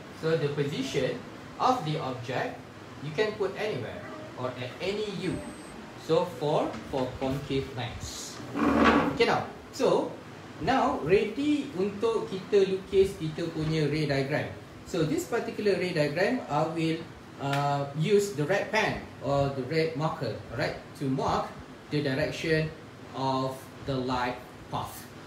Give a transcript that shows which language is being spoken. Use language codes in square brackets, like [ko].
[en] So, the position of the object, you can put anywhere or at any u. So for concave lens. Okay now. So now ready [ms] untuk kita lukis kita punya ray diagram. [en] So this particular ray diagram, I will use the red pen or the red marker, right, to mark the direction of the light path.